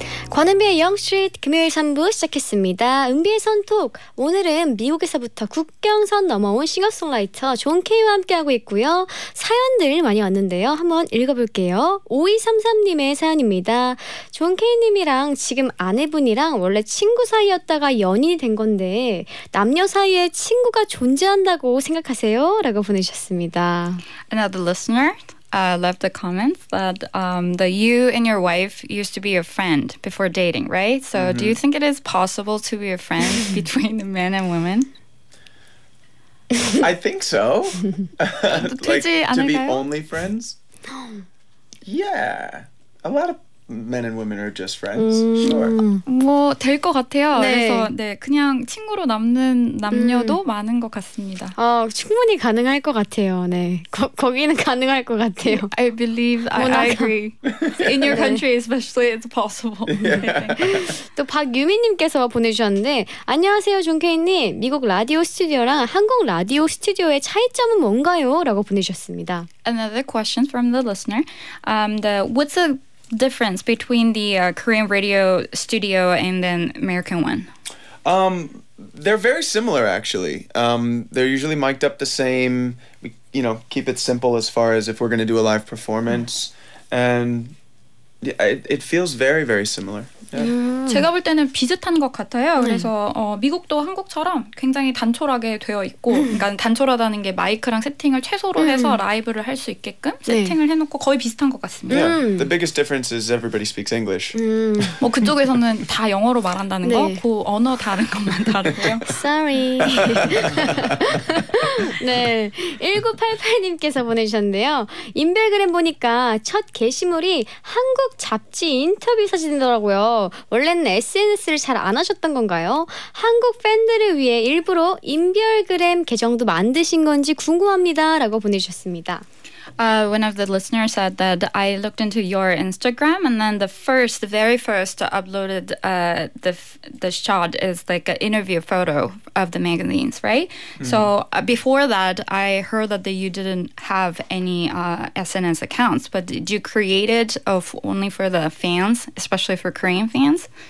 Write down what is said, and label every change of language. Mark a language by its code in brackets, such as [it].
[ko] 권은비의 영스트리트 금요일 3부 시작했습니다. 은비의 선톡 오늘은 미국에서부터 국경선 넘어온 싱어송라이터 존 케이와 함께하고 있고요. 사연들 많이 왔는데요. 한번 읽어볼게요. 5233님의 사연입니다. 존 케이님이랑 지금 아내분이랑 원래 친구 사이였다가 연인이 된 건데 남녀 사이에 친구가 존재한다고 생각하세요? 라고 보내셨습니다. [en] Another listener. Left the comments that the you and your wife used to be a friend before dating, right? So mm-hmm. do you think it is possible to be a friend between the men and women? I think so. like, to be only friends? Yeah. A lot of men and women are just friends, sure. [ko] 뭐 될 것 같아요. 네. 그래서 네 그냥 친구로 남는 남녀도 많은 것 같습니다. 충분히 가능할 것 같아요. 네, 거기는 가능할 것 같아요. [en] I believe, I agree. In your country, 네. especially, it's possible. Yeah. [ko] 또 박유미님께서 보내주셨는데 안녕하세요, 존케이님. 미국 라디오 스튜디오랑 한국 라디오 스튜디오의 차이점은 뭔가요? 라고 보내주셨습니다. [en] Another question from the listener. What's the difference between the Korean radio studio and then American one? They're very similar, actually. They're usually mic'd up the same. We, you know, keep it simple as far as if we're going to do a live performance. And It feels very, very similar. Yeah. [ko] 제가 볼 때는 비슷한 것 같아요. 그래서 미국도 한국처럼 굉장히 단촐하게 되어 있고 그러니까 단촐하다는 게 마이크랑 세팅을 최소로 해서 라이브를 할 수 있게끔 세팅을 해놓고 거의 비슷한 것 같습니다. [en] Yeah. The biggest difference is everybody speaks English. [ko] 뭐 그쪽에서는 다 영어로 말한다는 거, 그 언어 다른 것만 다르고요. [en] Sorry. [ko] 네, 1988님께서 보내주셨는데요. 인별그램 보니까 첫 게시물이 한국 잡지 인터뷰 사진이더라고요. 원래는 SNS를 잘 안 하셨던 건가요? 한국 팬들을 위해 일부러 인별그램 계정도 만드신 건지 궁금합니다. 라고 보내주셨습니다. [en] One of the listeners said that I looked into your Instagram and then the very first uploaded the shot is like an interview photo of the magazines, right? Mm-hmm. So before that, I heard that you didn't have any SNS accounts, but did you create it only for the fans, especially for Korean fans?